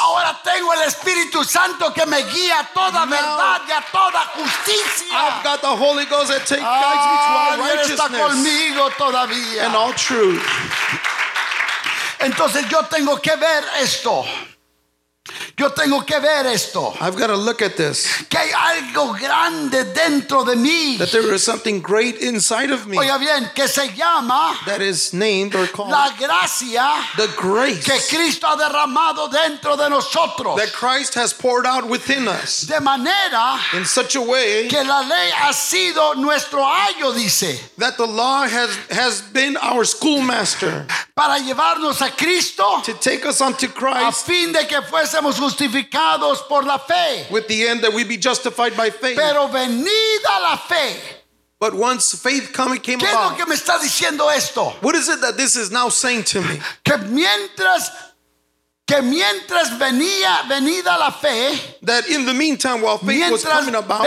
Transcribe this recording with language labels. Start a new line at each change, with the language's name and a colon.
Spanish: Ahora tengo el Espíritu Santo que me guía a toda verdad y a toda justicia.
English: I've got the Holy Ghost. That take guides me to all righteousness and all truth.
Spanish: Entonces yo tengo que ver esto. Yo tengo que ver esto.
English: I've got to look at this.
Spanish: Que hay algo grande dentro de mí.
English: That there is something great inside of me.
Spanish: Oiga bien, que se llama.
English: That is named or called.
Spanish: La gracia.
English: The grace.
Spanish: Que Cristo ha derramado dentro de nosotros.
English: That Christ has poured out within us.
Spanish: De manera.
English: In such a way.
Spanish: Que la ley ha sido nuestro ayo, dice.
English: That the law has been our schoolmaster.
Spanish: Para llevarnos a Cristo.
English: To take us unto Christ.
Spanish: A fin de que fuésemos justificados por la fe.
English: With the end that we be justified by faith.
Spanish: Pero venida la fe.
English: But once faith coming came about,
Spanish: ¿qué es lo que me está diciendo esto?
English: What is it that this is now saying to me?
Spanish: Que mientras venida la fe,
English: that in the meantime, while faith was coming about,